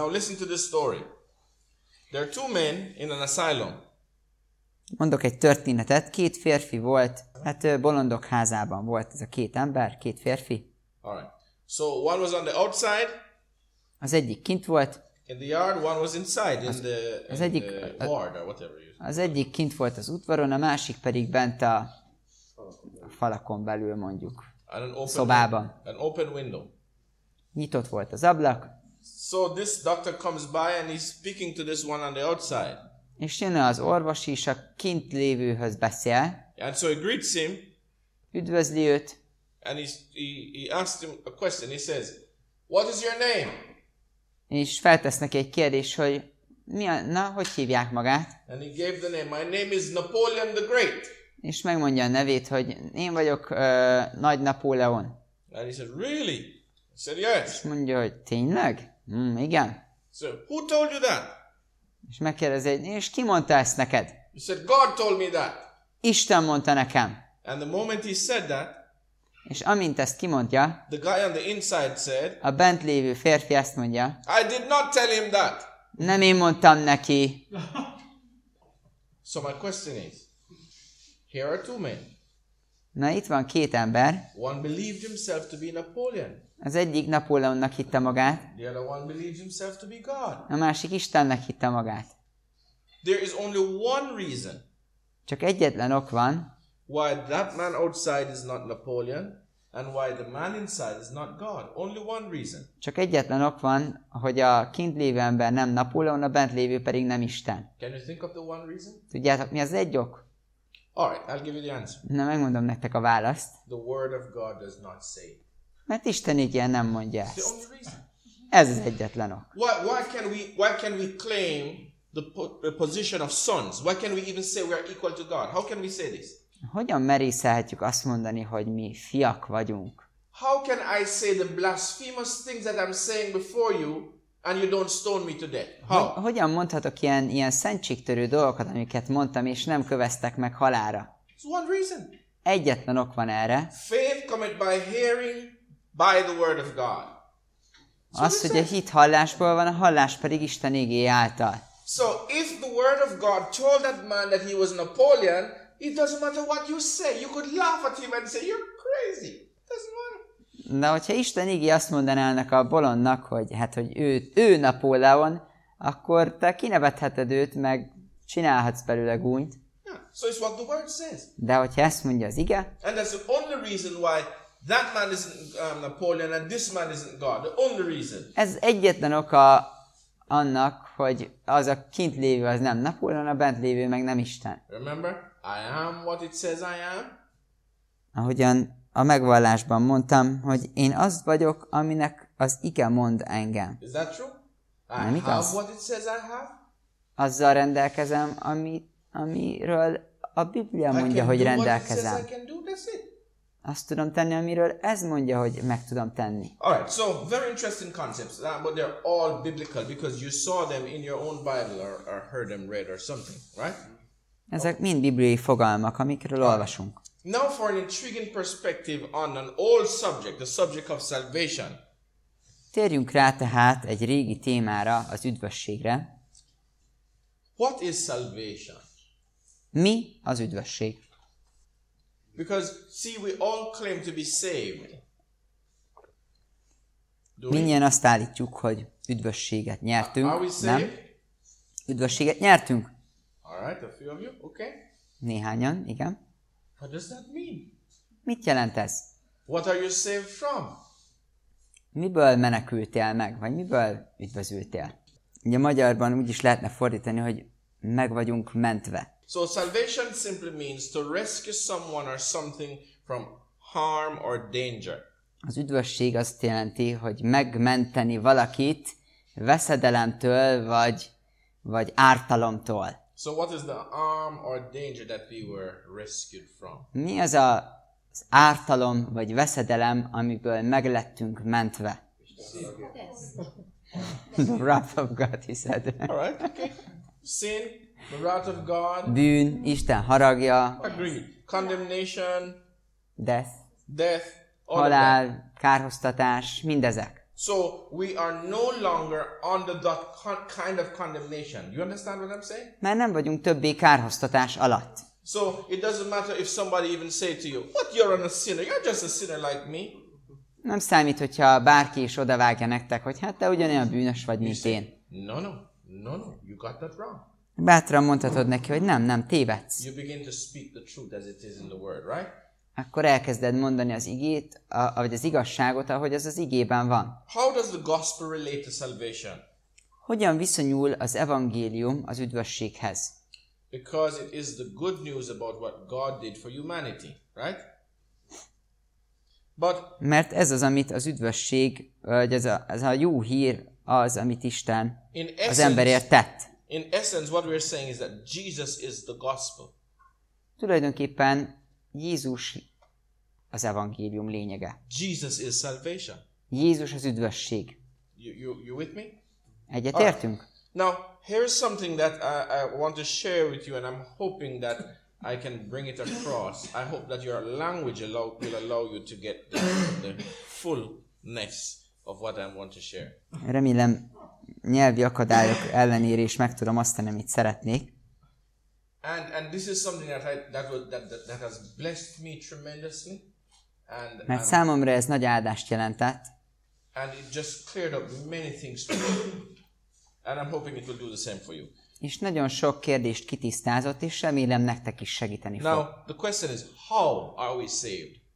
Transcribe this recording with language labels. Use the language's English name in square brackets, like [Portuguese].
[English] Now listen to this story. There are two men in an asylum. [Hungarian] Mondok egy történetet. Két férfi volt, hát bolondok házában volt ez a két ember, két férfi. [English] All right. So one was on the outside. [Hungarian] Az egyik kint volt. [English] In the yard, one was inside, in the ward or whatever. [Hungarian] Az egyik kint volt az udvaron, a másik pedig bent a falakon belül mondjuk, szobában. [English] An open window. [Hungarian] Nyitott volt az ablak. [English] So this doctor comes by and he's speaking to this one on the outside. [Hungarian] És jön az orvos is a kint lévőhöz beszél. [English] And so he greets him. [Hungarian] Üdvözli őt. [English] And he asked him a question. He says, what is your name? [Hungarian] És feltesz neki egy kérdés, hogy hogy hívják magát? [English] And he gave the name. My name is Napoleon the Great. [Hungarian] És megmondja a nevét, hogy én vagyok Nagy Napóleon. [English] And he said, really? Said yes. [Hungarian] Mondja, hogy tényleg? Igen. [English] So who told you that? [Hungarian] És megkérdezi, és ki mondta ezt neked? [English] He said God told me that. [Hungarian] Isten mondta nekem. [English] And the moment he said that, [Hungarian] és amint ezt kimondja, [English] the guy on the inside said, [Hungarian] a bent lévő férfi ezt mondja, [English] I did not tell him that. [Hungarian] Nem én mondtam neki. [English] So my question is, here are two men. [Hungarian] Na itt van két ember. [English] One believed himself to be Napoleon. [Hungarian] Az egyik Napóleonnak hitte magát. [English] The other one believed himself to be God. [Hungarian] A másik Istennek hitte magát. [English] There is only one reason. [Hungarian] Csak egyetlen ok van. [English] Why that man outside is not Napoleon and why the man inside is not God. Only one reason. [Hungarian] Csak egyetlen ok van, hogy a kint lévő ember nem Napóleon, a bent lévő pedig nem Isten. [English] Can you think of the one reason? [Hungarian] Tudjátok, mi az egy ok? [English] Alright, I'll give you the answer. [Hungarian] Na, megmondom nektek a választ. [English] The word of God does not say. [Hungarian] Mert Isten igye nem mondja ezt. [English] The only reason. [Hungarian] Ez az egyetlen ok. [English] Why can we claim the position of sons? Why can we even say we are equal to God? How can we say this? [Hungarian] Hogyan merészelhetjük azt mondani, hogy mi fiak vagyunk? [English] How can I say the blasphemous things that I'm saying before you and you don't stone me to death? How? [Hungarian] Hogyan mondhatok ilyen szentségtörő dolgokat, amiket mondtam, és nem köveztek meg halálra? [English] It's one reason. [Hungarian] Egyetlen ok van erre. [English] Faith cometh by hearing by the word of God. [Hungarian] Az, hogy a hit hallásból van, a hallás pedig Isten igéje által. [English] So if the word of God told that man that he was Napoleon, it doesn't matter what you say. You could laugh at him and say you're crazy. It doesn't matter. [Hungarian] Na, hogyha Isten igé azt mondaná ennek a bolondnak, hogy hát, hogy ő Napóleon, akkor te kinevetheted őt, meg csinálhatsz belőle gúnyt. [English] Yeah. So it's what the word says. [Hungarian] De hogyha ezt mondja az ige. [English] And that's the only reason why that man isn't Napoleon and this man isn't God. The only reason. [Hungarian] Ez egyetlen oka annak, hogy az a kint lévő az nem Napóleon, a bent lévő meg nem Isten. [English] Remember, I am what it says I am. [Hungarian] Ahogyan a megvallásban mondtam, hogy én az vagyok, aminek az ige mond engem. [English] Is that true? [Hungarian] Nem [English] I [Hungarian] igaz? [English] Have what it says I have. [Hungarian] Azzal rendelkezem, amiről a Biblia mondja, hogy rendelkezem. [English] I can do what it says I can do, that's it. [Hungarian] Azt tudom tenni, amiről ez mondja, hogy meg tudom tenni. [English] All right, so very interesting concepts, but they're all biblical because you saw them in your own Bible or heard them read or something, right? [Hungarian] Ezek okay. Mind bibliai fogalmak, amikről olvasunk. [English] Now for an intriguing perspective on an old subject, the subject of salvation. [Hungarian] Térjünk rá tehát egy régi témára, az üdvösségre. [English] What is salvation? [Hungarian] Mi az üdvösség? [English] Because see, we all claim to be saved. [Hungarian] Mindjárt azt állítjuk, hogy üdvösséget nyertünk. [English] Are we saved? [Hungarian] Nem? Üdvösséget nyertünk. [English] All right, a few of you, okay. [Hungarian] Néhányan, igen. [English] What does that mean? [Hungarian] Mit jelent ez? [English] What are you saved from? [Hungarian] Miből menekültél meg, vagy miből üdvözültél? Ugye magyarban úgy is lehetne fordítani, hogy meg vagyunk mentve. [English] So salvation simply means to rescue someone or something from harm or danger. [Hungarian] Az üdvösség azt jelenti, hogy megmenteni valakit veszedelemtől vagy ártalomtól. [English] So what is the harm or danger that we were rescued from? [Hungarian] Mi az az ártalom vagy veszedelem, amiből meglettünk mentve? [English] The wrath of God, he said. All right, okay. Sin. The wrath of God. [Hungarian] Bűn, Isten haragja. [English] Agreed. Condemnation. Death. Death. [Hungarian] Halál, kárhoztatás, mindezek. [English] So we are no longer under that kind of condemnation. You understand what I'm saying? [Hungarian] Már nem vagyunk többé kárhoztatás alatt. [English] So it doesn't matter if somebody even say to you, "What, you're a sinner? You're just a sinner like me." [Hungarian] Nem számít, hogyha bárki is odavágja nektek, hogy hát te ugyanolyan bűnös vagy, mint én. [English] No. You got that wrong. [Hungarian] Bátran mondhatod neki, hogy nem, tévedsz. [English] You begin to speak the truth as it is in the word, right? [Hungarian] Akkor elkezded mondani az igét, vagy az igazságot, ahogy az igében van. [English] How does the gospel relate to salvation? [Hungarian] Hogyan viszonyul az evangélium az üdvösséghez? [English] Because it is the good news about what God did for humanity, right? But [Hungarian] mert ez az, amit az üdvösség, vagy ez a jó hír az, amit Isten az emberért tett. [English] In essence, what we're saying is that Jesus is the gospel. [Hungarian] Tulajdonképpen Jézus az evangélium lényege. [English] Jesus is salvation. [Hungarian] Jézus az üdvösség. [English] You with me? [Hungarian] Egyetértünk? [English] Right. Now, here's something that I want to share with you, and I'm hoping that I can bring it across. I hope that your language will allow you to get the fullness of what I want to share. [Hungarian] Remélem, nyelvi akadályok ellenére is meg tudom azt tenni, amit szeretnék. [English] And this is something that that has blessed me tremendously. And [Hungarian] mert számomra ez nagy áldást jelentett. [English] And it just cleared up many things to me. And I'm hoping it will do the same for you. [Hungarian] És nagyon sok kérdést kitisztázott, és remélem nektek is segíteni fog. [English] Now, the question is, how are we saved?